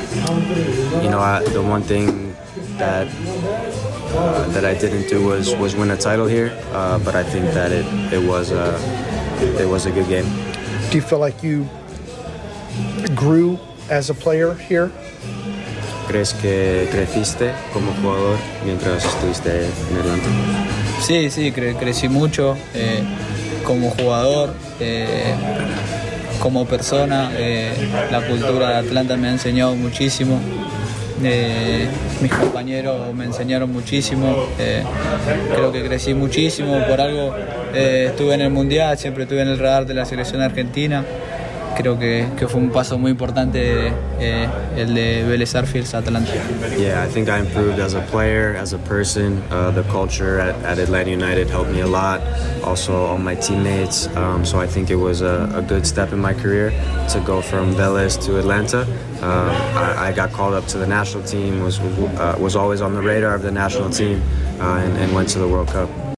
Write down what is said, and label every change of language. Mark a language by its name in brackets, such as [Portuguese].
[English] The one thing that I didn't do was win a title here, but I think that it was a good game. Do you feel like you grew as a player here? [Spanish] ¿Crees que creciste como jugador mientras estuviste en Atlanta? Sí, crecí mucho como jugador, como persona. La cultura de Atlanta me ha enseñado muchísimo. Mis compañeros me enseñaron muchísimo. Creo que crecí muchísimo. Por algo estuve en el Mundial, siempre estuve en el radar de la selección argentina. Creo que fue un paso muy importante el de Vélez Sarsfield a Atlanta. [English] Yeah, I think I improved as a player, as a person. The culture at Atlanta United helped me a lot. Also, all my teammates. So I think it was a good step in my career to go from Vélez to Atlanta. I got called up to the national team, was always on the radar of the national team, and went to the World Cup.